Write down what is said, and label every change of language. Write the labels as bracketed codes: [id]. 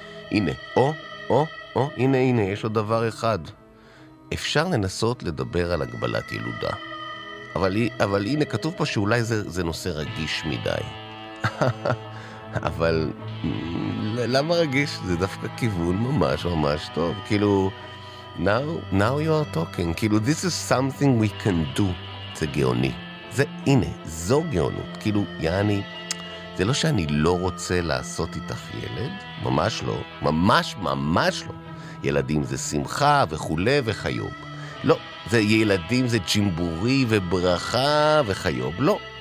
[he] הנה, הנה, יש עוד דבר אחד. אפשר לנסות לדבר על הגבלת ילודה. אבל הנה, כתוב פה שאולי זה נושא רגיש מדי. אבל למה רגיש? זה דווקא כיוון ממש ממש טוב. [en] כאילו, now you are talking. כאילו, this is something we can do. [he] זה גאוני. זה, הנה, זו גאונות. כאילו, יעני, זה לא שאני לא רוצה לעשות איתך ילד. ממש לא. ממש, ממש לא. ילדים זה שמחה וכולי וחיוב. לא, זה ילדים זה ג'ימבורי וברכה וחיוב. לא.